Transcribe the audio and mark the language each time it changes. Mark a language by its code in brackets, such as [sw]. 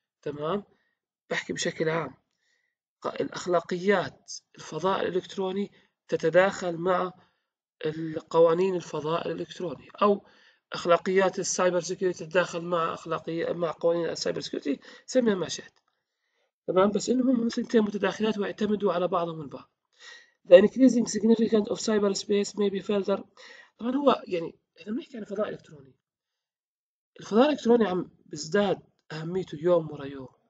[ar] تمام، بحكي بشكل عام، الاخلاقيات الفضاء الالكتروني تتداخل مع قوانين الفضاء الالكتروني، او اخلاقيات السايبر سيكيورتي تتداخل مع اخلاقيات مع قوانين السايبر سيكيورتي، سميها ما شئت. تمام، بس انهم مثلتين متداخلات ويعتمدوا على بعضهم البعض. [en] The increasing significance of cyberspace may be further. [ar] طبعا هو يعني احنا بنحكي عن الفضاء الالكتروني، الفضاء الالكتروني عم بيزداد اهميته يوم ورا يوم.